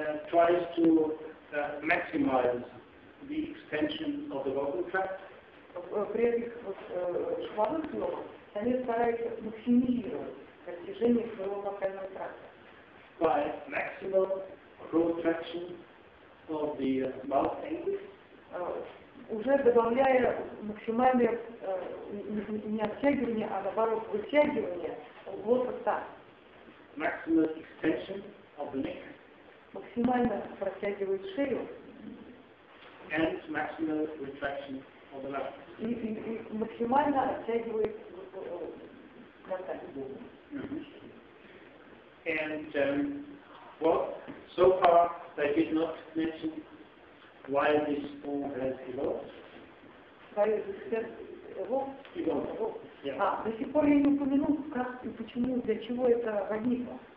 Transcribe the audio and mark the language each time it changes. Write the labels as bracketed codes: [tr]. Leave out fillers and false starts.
[en] Tries to maximize the extension of the vocal tract. [ru] При этих шумовых ноках они стараются максимизировать растяжение своего вокального тракта. [en] By maximal protraction of the mouth angles. [ru] Уже добавляя максимальное не оттягивание, а наоборот вытягивание глоток так. [en] Maximal extension of the neck. [ru] Максимально протягивает шею. [en] And maximal retraction of the larynx. [ru] И максимально оттягивает глоток. Mm-hmm. [en] And so far they did not mention why this form has evolved. [ru] До сих пор я не упомянул, как и почему, для чего это возникло.